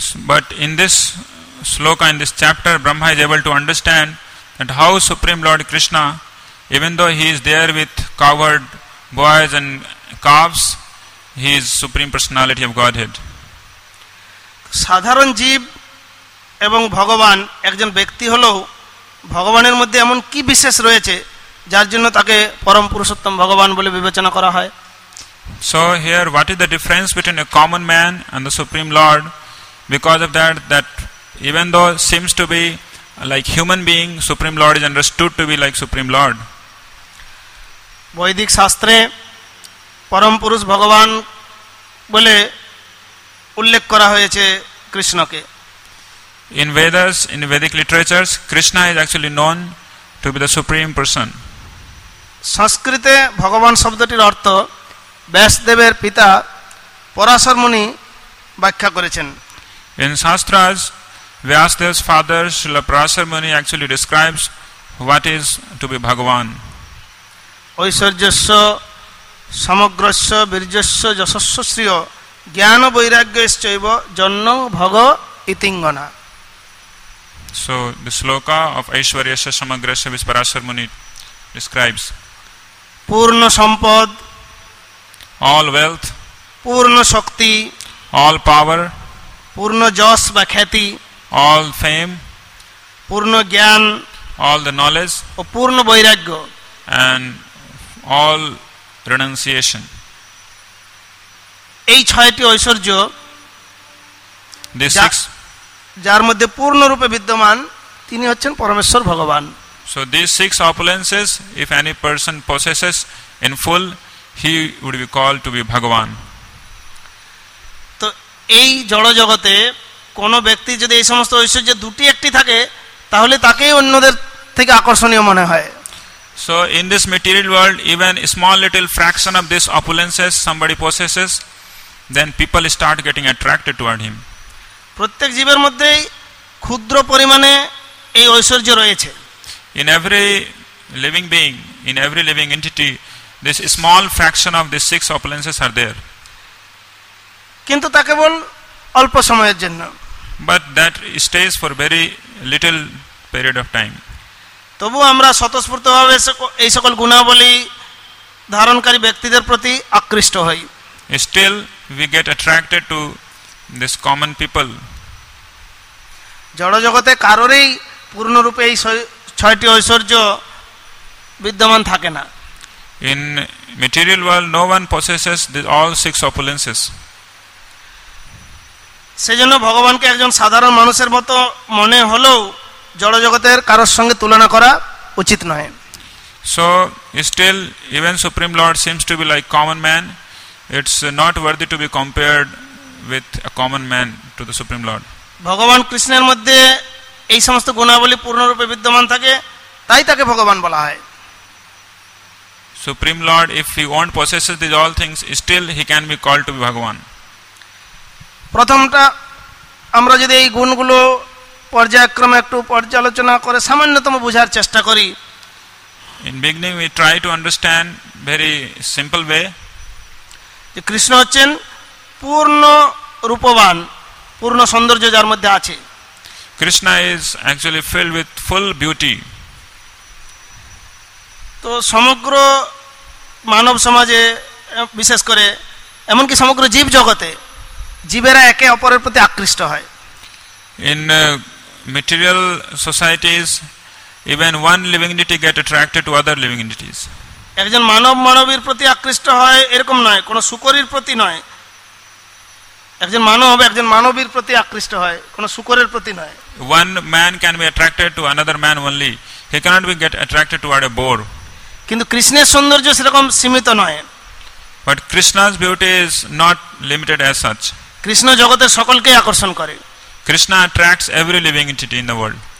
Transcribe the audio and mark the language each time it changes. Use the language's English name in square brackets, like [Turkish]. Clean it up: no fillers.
[English] But in this shloka in this chapter Brahma is able to understand that how supreme Lord Krishna even though he is there with cowherd boys and calves He is Supreme Personality of Godhead. [Bangla] সাধারণ জীব এবং ভগবান একজন ব্যক্তি হলেও ভগবানের মধ্যে এমন কি বিশেষ রয়েছে যার জন্য তাকে পরম পুরুষোত্তম ভগবান বলে বিবেচনা করা হয়? [English] So here, what is the difference between a common man and the Supreme Lord? Because of that, that even though seems to be like human being, Supreme Lord is understood to be like Supreme Lord. [Bangla] বৈদিক শাস্ত্রে পরম পুরুষ ভগবান বলে উল্লেখ করা হয়েছে কৃষ্ণকে। [English] In Vedas, in Vedic literatures, Krishna is actually known to be the Supreme Person. [Bangla] সংস্কৃতে ভগবান শব্দটির অর্থ ব্যাসদেবের পিতা পরাশর মুনি ব্যাখ্যা করেছেন। [English] In Shastras, Vyasadeva's father Srila Parashar Muni actually describes what is to be Bhagavan. [Sanskrit] ঐশ্বর্যস্য সমগ্রস্য বীর্যস্য যশস্য শ্রেয় জ্ঞান বৈরাগ্যশ্চৈব জন্য ভগ ইতিঙ্গনা। [English] So the shloka of Aishwaryasya Samagrasya which Parashar Muni describes. [Bangla] পূর্ণ সম্পদ, [English] all wealth, [Bangla] পূর্ণ শক্তি, [English] all power, [Bangla] পূর্ণ যশ বা খ্যাতি, [English] all fame, [Bangla] পূর্ণ জ্ঞান, [English] all the knowledge, [Bangla] ও পূর্ণ বৈরাগ্য, [English] and all renunciation. [Bangla] এই ছয়টি ঐশ্বর্য, [English] these six, [Bangla] যার মধ্যে পূর্ণরূপে বিদ্যমান তিনি হচ্ছেন পরমেশ্বর ভগবান। [English] So these six opulences, if any person possesses in full, he would be called to be Bhagavan. [Bangla] তো এই জড় জগতে কোন ব্যক্তি যদি এই সমস্ত ঐশ্বর্য দুটি একটি থাকে তাহলে তাকেই অন্যদের থেকে আকর্ষণীয় মনে হয়। [English] So in this material world, even a small little fraction of these opulences somebody possesses, then people start getting attracted toward him. [Bangla] প্রত্যেক জীবের মধ্যে ক্ষুদ্র পরিমাণে এই ঐশ্বর্য রয়েছে। [English] In every living being, in every living entity, this small fraction of these six opulences are there. [Bangla] কিন্তু তা কেবল অল্প সময়ের জন্য। [English] But that stays for very little period of time. [Bangla] তবু আমরা স্বতঃস্ফূর্তভাবে এই সকল গুণাবলী ধারণকারী ব্যক্তিদের প্রতি আকৃষ্ট হই। [English] Still, we get attracted to this common people. [Bangla] জড় জগতে কারোরই পূর্ণরূপে এই ছয়টি ঐশ্বর্য বিদ্যমান থাকে না। [English] In material world, no one possesses all six opulences. [Bangla] সেজন্য ভগবানকে একজন সাধারণ মানুষের মতো মনে হলেও জড় জগতের কারোর সঙ্গে তুলনা করা উচিত নয়। [English] So still, even Supreme Lord seems to be like common man. It's not worthy to be compared with a common man to the Supreme Lord. [Bangla] ভগবান কৃষ্ণের মধ্যে এই সমস্ত গুণাবলী পূর্ণরূপে বিদ্যমান থাকে তাই তাকে ভগবান বলা হয়। [English] Supreme Lord, if he won't possess these all things, still he can be called to be Bhagavan. [Bangla] প্রথমটা আমরা যদি এই গুণগুলো পর্যায়ক্রমে একটু পর্যালোচনা করে সামান্যতম বোঝার চেষ্টা করি। [English] In beginning we try to understand very simple way. [Bangla] যে কৃষ্ণ হচ্ছেন পূর্ণ রূপবান, পূর্ণ সৌন্দর্য যার মধ্যে আছে। [English] Krishna is actually filled with full beauty. [Bangla] তো সমগ্র মানব সমাজে বিশেষ করে এমনকি সমগ্র জীব জগতে জীবেরা একে অপরের প্রতি আকৃষ্ট হয়। [English] In material societies, even one living entity get attracted to other living entities. [Bangla] একজন মানব মানবীর প্রতি আকৃষ্ট হয় এরকম নয়, কোন শূকরের প্রতি নয়। একজন মানব একজন মানবীর প্রতি আকৃষ্ট হয়, কোন শূকরের প্রতি নয়। [English] One man can be attracted to another man only. He cannot be get attracted toward a boar. [Bangla] কিন্তু কৃষ্ণের সৌন্দর্য সেরকম সীমিত নয়। [English] But Krishna's beauty is not limited as such. [Bangla] Krishna জগতের সকলকে আকর্ষণ করে। [English] Krishna attracts every living entity in the world.